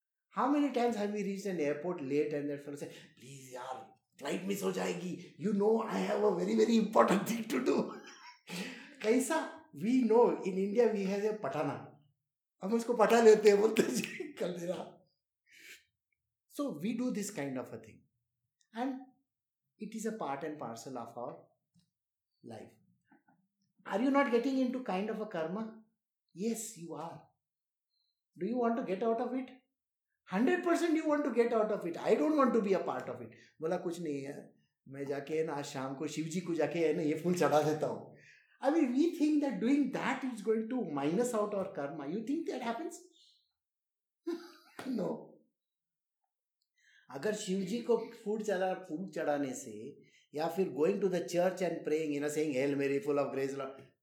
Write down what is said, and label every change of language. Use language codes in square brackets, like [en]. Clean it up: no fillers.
[en] How many times have we reached an airport late and that fellow say, please yaar, [hi] flight miss ho jayegi. [en] You know I have a very very important thing to do. Kaisa? We know in India we have a patana. [hi] हम उसको पटा लेते हैं बोलते हैं कल मेरा. [en] So we do this kind of a thing and it is a part and parcel of our life. Are you not getting into kind of a karma? Yes you are. Do you want to get out of it? 100% you want to get out of it. I don't want to be a part of it. [hi] बोला कुछ नहीं है, मैं जाके ना आज शाम को शिव जी को जाके है ना ये फूल चढ़ा देता हूँ. [en] I mean, we think that doing that is going to minus out our karma. You think that happens? No. [hi] Agar Shivji ko food chadane se, ya fir [en] going to the church and praying, you know, saying, Hail Mary, full of grace, Lord.